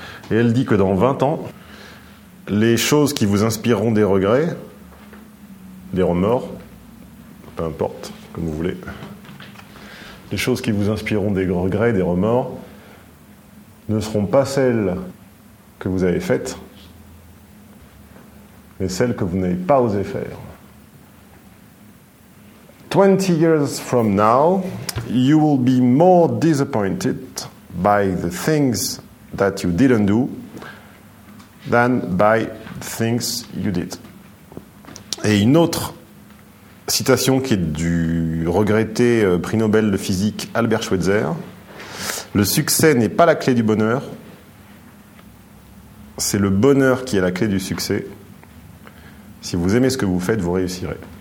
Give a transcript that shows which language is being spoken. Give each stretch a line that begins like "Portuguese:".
French: Et elle dit que dans 20 ans, les choses qui vous inspireront des regrets, des remords... Peu importe, comme vous voulez. Les choses qui vous inspireront des regrets, des remords, ne seront pas celles que vous avez faites, mais celles que vous n'avez pas osé faire.
English: 20 years from now, you will be more disappointed by the things that you didn't do than by things you did.
French: Et une autre citation qui est du regretté prix Nobel de physique Albert Schweitzer. Le succès n'est pas la clé du bonheur. C'est le bonheur qui est la clé du succès. Si vous aimez ce que vous faites, vous réussirez.